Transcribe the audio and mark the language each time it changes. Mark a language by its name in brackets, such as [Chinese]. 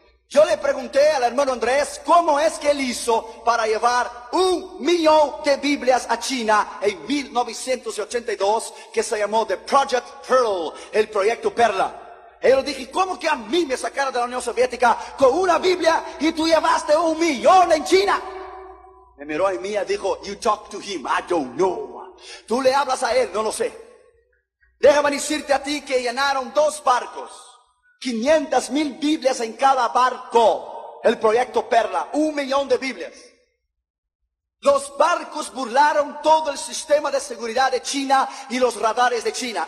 [Spanish] Yo le pregunté al hermano Andrés, ¿cómo es que él hizo para llevar 1,000,000 de Biblias a China en 1982, que se llamó The Project Pearl, el Proyecto Perla? Y yo dije, ¿cómo que a mí me sacaron de la Unión Soviética con una Biblia y tú llevaste 1,000,000 en China? Me miró a mí y dijo, [English] you talk to him, I don't know. [Spanish] Tú le hablas a él, no lo sé. Déjame decirte a ti que llenaron 2 barcos. 500,000 Biblias en cada barco. El proyecto Perla, 1,000,000 de Biblias. Los barcos burlaron todo el sistema de seguridad de China y los radares de China.